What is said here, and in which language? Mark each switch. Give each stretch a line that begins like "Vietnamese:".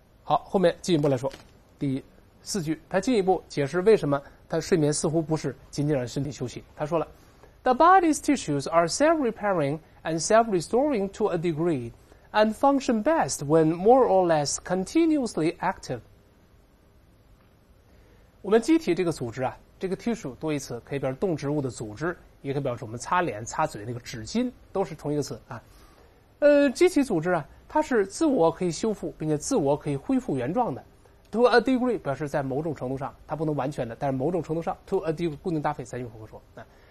Chinese: 好，后面进一步来说，第四句，他进一步解释为什么他睡眠似乎不是仅仅让身体休息。他说了
English: ，The body's tissues are self-repairing and self-restoring to a degree, and function best when more or less continuously active。
Chinese: 我们机体这个组织啊，这个 tissue 多义词可以表示动植物的组织，也可以表示我们擦脸、擦嘴那个纸巾，都是同一个词啊。机体组织啊，它是自我可以修复，并且自我可以恢复原状的。 To a degree 表示在某种程度上，它不能完全的，但是某种程度上 ，to a degree 固定搭配咱用口会说啊。